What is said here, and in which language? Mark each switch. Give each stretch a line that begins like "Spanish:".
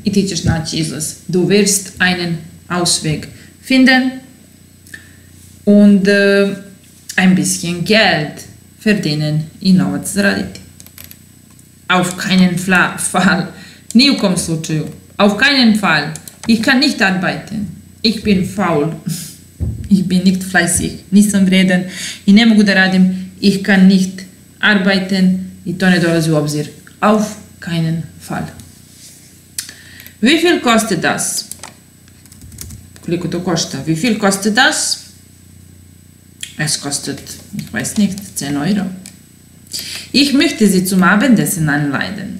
Serbian: I ti ćeš naći izlaz.
German: Du wirst einen Ausweg finden und ein bisschen Geld verdienen
Serbian: i novac zaraditi.
German: Auf keinen Fall.
Serbian: Nie u kom slučaju.
German: Auf keinen Fall. Ich kann nicht arbeiten. Ich bin faul. Ich bin nicht fleißig.
Serbian: Nisam vreden i ne mogu da radim.
German: Ich kann nicht arbeiten.
Serbian: I to ne dolazi u obzir.
German: Auf keinen Fall. Wie viel kostet das?
Serbian: Koliko to košta?
German: Wie viel kostet das? Es kostet, ich weiß nicht, 10 Euro. Ich möchte sie zum Abendessen einladen.